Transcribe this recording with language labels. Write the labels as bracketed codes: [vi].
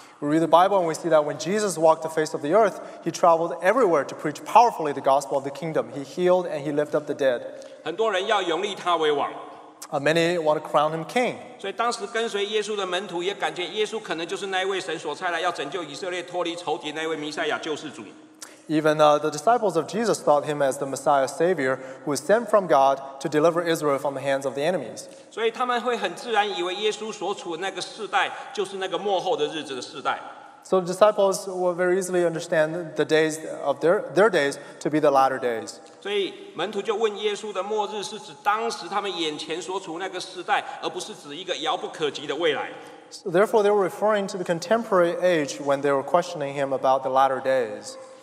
[en] We read the Bible and we see that when Jesus walked the face of the earth, he traveled everywhere to preach powerfully the gospel of the kingdom. He healed and he lifted up the dead. [zh] 很多人要拥立他为王。 [en] Many want to crown him king. [zh] 所以当时跟随耶稣的门徒也感觉耶稣可能就是那位神所差来要拯救以色列脱离仇敌那位弥赛亚救世主。 [en] Even the disciples of Jesus thought him as the Messiah Savior who was sent from God to deliver Israel from the hands of the enemies. [zh] 所以他们会很自然以为耶稣所处的那个世代就是那个末后的日子的世代。 [en] So the disciples will very easily understand the days of their days to be the latter days. [zh] 所以门徒就问耶稣的末日是指当时他们眼前所处那个时代，而不是指一个遥不可及的未来。 [en] So therefore, they were referring to the contemporary age when they were questioning him about the latter days.